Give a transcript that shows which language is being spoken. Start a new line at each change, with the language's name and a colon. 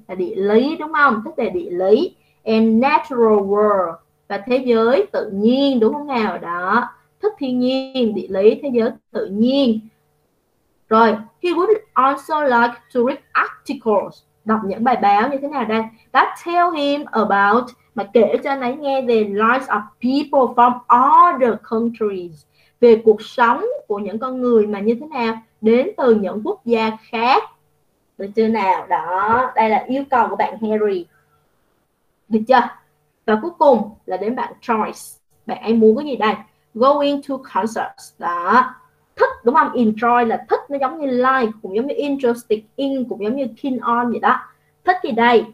Vietnamese: Là địa lý, đúng không? Thích về địa lý.
English: And natural world.
Vietnamese: Và thế giới tự nhiên, đúng không nào? Đó. Thích thiên nhiên, địa lý, thế giới tự nhiên. Rồi.
English: He would also like to read articles.
Vietnamese: Đọc những bài báo như thế nào đây?
English: That tell him about,
Vietnamese: mà kể cho anh ấy nghe về
English: lives of people from other countries.
Vietnamese: Về cuộc sống của những con người mà như thế nào? Đến từ những quốc gia khác. Được chưa nào? Đó, đây là yêu cầu của bạn Harry. Được chưa? Và cuối cùng là đến bạn Joyce. Bạn ấy muốn cái gì đây?
English: Going to concerts.
Vietnamese: Đó, thích, đúng không? Enjoy là thích, nó giống như like, cũng giống như interested in, cũng giống như keen on vậy đó. Thích gì đây?